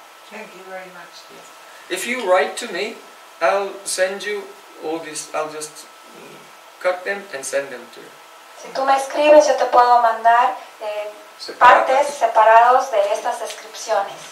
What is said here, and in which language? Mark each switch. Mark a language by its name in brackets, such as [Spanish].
[English] Thank you very much. If you write to me, I'll send you all this. I'll just cut them and send them to you. [Spanish] Si tú me escribes, yo te puedo mandar partes separados de estas descripciones.